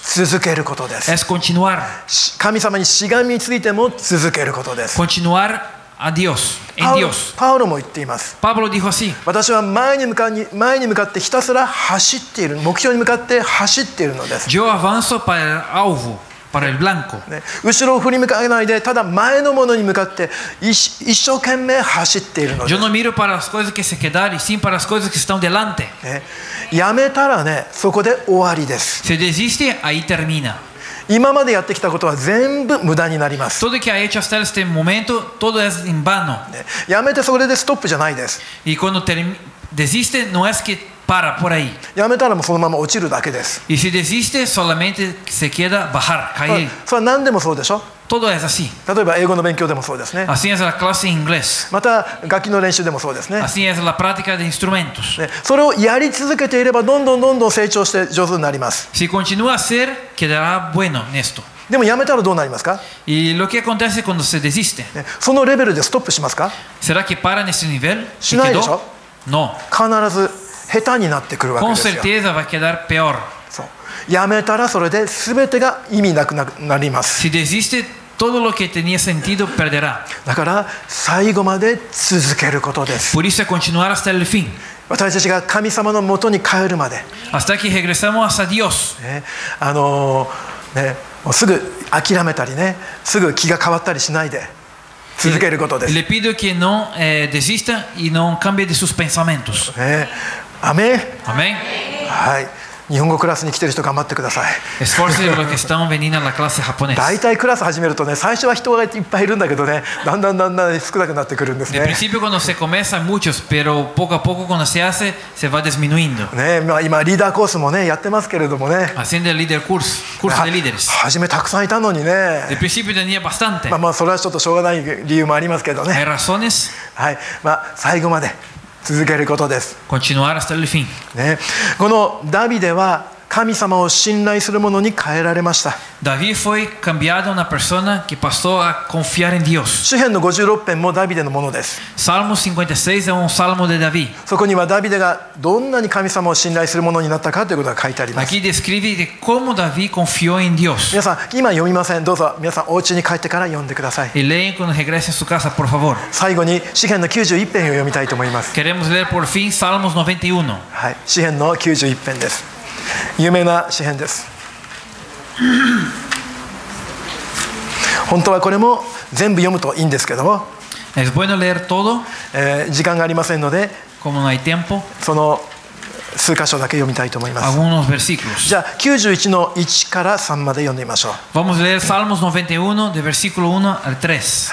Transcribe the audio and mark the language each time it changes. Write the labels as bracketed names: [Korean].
[Japanese] 続けることです。 [Spanish] Es continuar. [Japanese] 神様にしがみついても続けることです。 [Spanish] Continuar a Dios. En Dios. [Japanese] Pablo も言っています。 [Spanish] Pablo dijo así. [Japanese] 私は前に向かってひたすら走っている。目標に向かって走っているのです。 [Spanish] Yo avanzo para el alvo. Para el blanco. [Japanese] 後ろを振り向かないでただ前のものに向かって一生懸命走っているのです。 [Spanish] Yo no miro para las cosas que se quedan y sin para las cosas que están delante. [Japanese] やめたらね、そこで終わりです。 [Spanish] Se desiste, ahí termina. [Japanese] 今までやってきたことは全部無駄になります。 [Spanish] Todo que ha hecho hasta este momento, todo es en vano. [Japanese] やめてそれでストップじゃないです。 [Spanish] Y cuando desiste, no es que para por ahí. [Japanese] やめたらもうそのまま落ちるだけです。 [Spanish] Y si desiste, solamente se queda bajar, caer. [Japanese] それは何でもそうでしょ。 [Spanish] Todo es así. [Japanese] 例えば英語の勉強でもそうですね。 [Spanish] Así es la clase en inglés. [Japanese] また楽器の練習でもそうですね。 [Spanish] Así es la práctica de instrumentos. [Japanese] ね、それをやり続けていればどんどんどんどん成長して上手になります。 [Spanish] Si continúa a hacer, quedará bueno en esto. [Japanese] でもやめたらどうなりますか？ [Spanish] Y lo que acontece cuando se desiste? [Japanese] そのレベルでストップしますか？ [Spanish] Será que para en ese nivel? [Japanese] しないでしょ？ [Spanish] No. [Japanese] 必ず下手になってくるわけですよ。 [Spanish] Con certeza va a quedar peor. [Japanese] そう。やめたらそれで全てが意味なくなります。 [Spanish] Si desiste, todo lo que tenía sentido perderá. [Japanese] だから最後まで続けることです。 [Spanish] Por eso continuar hasta el fin. [Japanese] 私たちが神様のもとに帰るまで。 [Spanish] Hasta que regresamos hasta Dios. [Japanese] もうすぐ諦めたりね、すぐ気が変わったりしないで続けることです。 [Spanish] Le pido que no desista y no cambie de sus pensamientos. Amén. Amén. [Japanese] はい。日本語クラスに来てる人頑張ってください。 [Spanish] Esforce los que están veniendo a la clase japonesa. [Japanese] だいたいクラス始めるとね、最初は人がいっぱいいるんだけどね、だんだんだんだん少なくなってくるんですね。 [Spanish] De principio cuando se comienza muchos, pero poco a poco cuando se hace, se va disminuyendo. [Japanese] ね、まあ今リーダーコースもね、やってますけれどもね。 [Spanish] Haciendo el líder curso, curso de líderes. [Japanese] 初めたくさんいたのにね。 [Spanish] De principio tenía bastante. [Japanese] まあまあそれはちょっとしょうがない理由もありますけどね。 [Spanish] Hay razones. [Japanese] はい、まあ最後まで。続けることです。 [Spanish] Continuar hasta el fin. [Japanese] ね、このダビデは神様を信頼する者に変えられました。 [Spanish] David fue cambiado una persona que pasó a confiar en Dios. [Japanese] 詩編の56編もダビデのものです。 [Spanish] Salmo 56 es un salmo de David. [Japanese] そこにはダビデがどんなに神様を信頼する者になったかということが書いてあります。 [Spanish] Aquí describe de cómo David confió en Dios. [Japanese] 皆さん今読みません。どうぞ皆さんお家に帰ってから読んでください。 [Spanish] Y leen cuando regresen a su casa, por favor. [Japanese] 最後に詩編の91編を読みたいと思います。 [Spanish] Queremos leer por fin Salmos 91. [Japanese] はい、詩編の91編です。有名な詩編です。本当はこれも全部読むといいんですけども、 [Spanish] es bueno leer todo, [Japanese] 時間がありませんので、 [Spanish] como no hay tiempo, [Japanese] その数箇所だけ読みたいと思います。 [Spanish] Algunos versículos. [Japanese] じゃあ91の1から3まで読んでみましょう。 [Spanish] Vamos a leer Salmos 91 de versículo 1 al 3.